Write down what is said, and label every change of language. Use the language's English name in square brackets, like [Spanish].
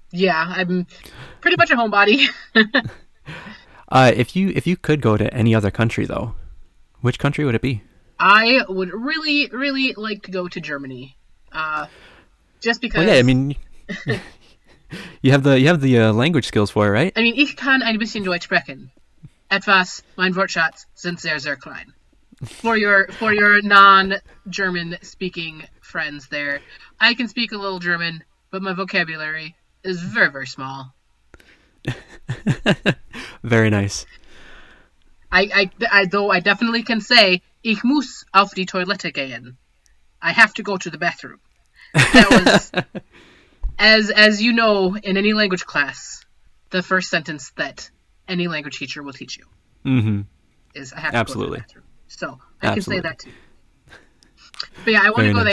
[English] Yeah, I'm pretty much a homebody. if you could go to any other country, though, which country would it be? I would really, really like to go to Germany. Just because... Well, yeah, I mean, you have the language skills for it, right? I mean, [German] ich kann ein bisschen Deutsch sprechen. Etwas mein Wortschatz sind sehr, sehr klein. [English] For your non-German speaking friends there, I can speak a little German, but my vocabulary is very, very small. Very nice. I definitely can say, [German] ich muss auf die Toilette gehen. [English] I have to go to the bathroom. That was, as you know, in any language class, the first sentence that any language teacher will teach you. Mm-hmm. Is, I have to Absolutely. Go to the bathroom. So, I Absolutely. Can say that too. But yeah, I want to go nice.